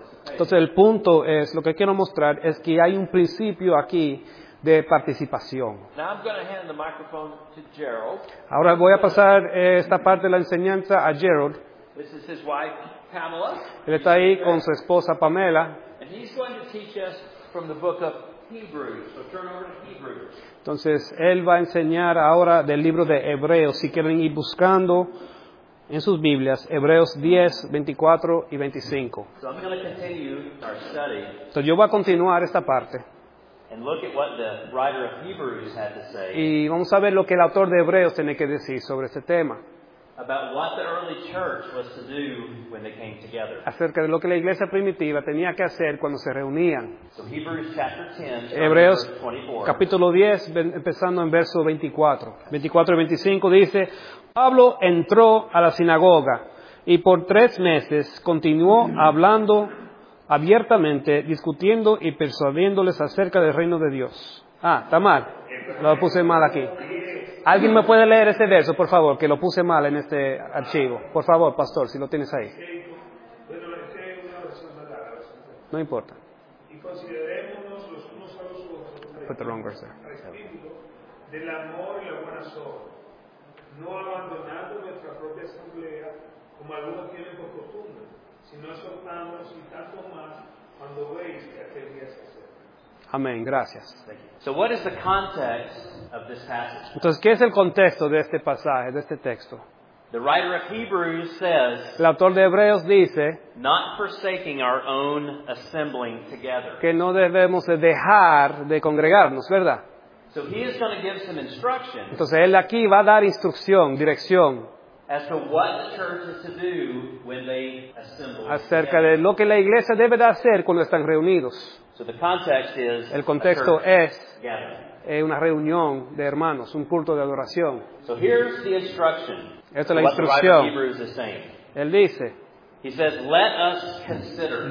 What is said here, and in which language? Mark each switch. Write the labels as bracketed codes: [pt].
[es] Entonces el punto es, lo que quiero mostrar es que hay un principio aquí de participación. [en] Now I'm going to hand the microphone to Gerald. [es] Ahora voy a pasar esta parte de la enseñanza a Gerald. [en] This is his wife, Pamela. [es] Él está ahí con su esposa Pamela. [en] And he's going to teach us from the book of Hebrews. So turn over to Hebrews. [es] Entonces él va a enseñar ahora del libro de Hebreos. Si quieren ir buscando en sus Biblias, Hebreos 10, 24 y 25. [en] So I'm going to continue our study. [es] Entonces yo voy a continuar esta parte. [en] And look at what the writer of Hebrews had to say. [es] Y vamos a ver lo que el autor de Hebreos tiene que decir sobre este tema. [en] About what the early church was to do when they came together. [es] Acerca de lo que la iglesia primitiva tenía que hacer cuando se reunían. [en] So Hebrews chapter 10, [es] Hebreos, [en] verse 24. [es] Capítulo 10, empezando en verso 24. 24 y 25 dice, Pablo entró a la sinagoga y por 3 meses continuó hablando abiertamente, discutiendo y persuadiéndoles acerca del reino de Dios. Ah, está mal. Lo puse mal aquí. ¿Alguien me puede leer este verso, por favor? Que lo puse mal en este archivo. Por favor, pastor, si lo tienes ahí. No importa. Y considerémonos los unos a los otros. Del amor y la buena sobra. No abandonando nuestra propia asamblea, como algunos tienen por costumbre, sino soltamos y tanto más cuando veis que aquel día se acerca. Amén, gracias. [en] So what is the context of this passage? [es] Entonces, ¿qué es el contexto de este pasaje, de este texto? [en] The writer of Hebrews says, [es] el autor de Hebreos dice, [en] not forsaking our own assembling together. [es] Que no debemos dejar de congregarnos, ¿verdad? [en] So he is going to give some instructions. [es] Entonces él aquí va a dar instrucción, dirección. [en] As to what the church is to do when they assemble. [es] Acerca de lo que la iglesia debe de hacer cuando están reunidos. [en] So the context is, [es] el contexto es [en] gathering. [es] Una reunión de hermanos, un culto de adoración. [en] So here's the instruction. [es] Esta es la instrucción. Él dice, [en] he says, let us consider.